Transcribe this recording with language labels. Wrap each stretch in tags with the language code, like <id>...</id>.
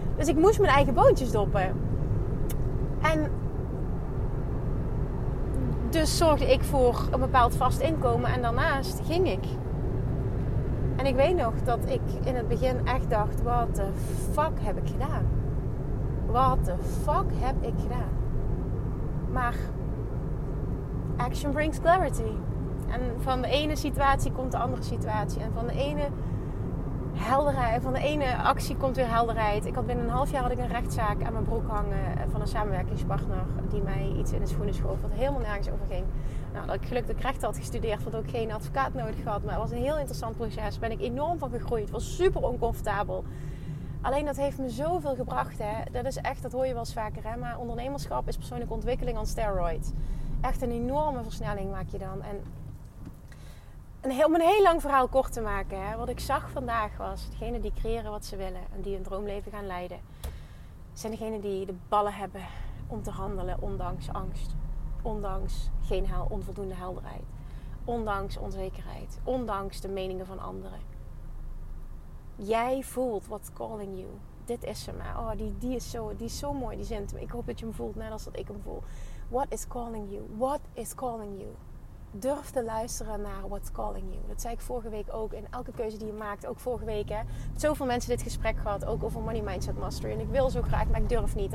<nl>Dus ik moest mijn eigen boontjes doppen. En dus zorgde ik voor een bepaald vast inkomen en daarnaast ging ik. En ik weet nog dat ik in het begin echt dacht,</nl> <en>what the fuck</en> <nl>heb ik gedaan?</nl> <en>What the fuck</en> <nl>heb ik gedaan? Maar</nl> <en>action brings clarity.</en> <nl>En van de ene situatie komt de andere situatie. En van de ene helderheid, van de ene actie komt weer helderheid. Ik had binnen een half jaar had ik een rechtszaak aan mijn broek hangen van een samenwerkingspartner die mij iets in de schoenen schoof wat helemaal nergens over ging. Nou, dat ik gelukkig recht had gestudeerd, had ook geen advocaat nodig gehad, maar het was een heel interessant proces. Ben ik enorm van gegroeid. Het was super oncomfortabel. Alleen dat heeft me zoveel gebracht, hè. Dat is echt, dat hoor je wel eens vaker, hè. Maar ondernemerschap is persoonlijke ontwikkeling</nl> <en>on steroids.</en> <nl>Echt een enorme versnelling maak je dan. En om een heel lang verhaal kort te maken. Hè. Wat ik zag vandaag was, degenen die creëren wat ze willen en die hun droomleven gaan leiden, zijn degenen die de ballen hebben om te handelen ondanks angst. Ondanks geen onvoldoende helderheid. Ondanks onzekerheid. Ondanks de meningen van anderen. Jij voelt</nl> <en>what's calling you.</en> <nl>Dit is ze maar. Oh, die is zo mooi, die zin. Ik hoop dat je hem voelt net als dat ik hem voel.</nl> <en>What is calling you? What is calling you?</en> <nl>Durf te luisteren naar</nl> <en>what's calling you.</en> <nl>Dat zei ik vorige week ook. In elke keuze die je maakt, ook vorige week. Hè, zoveel mensen dit gesprek gehad. Ook over</nl> <en>money mindset mastery.</en> <nl>En ik wil zo graag, maar ik durf niet.</nl>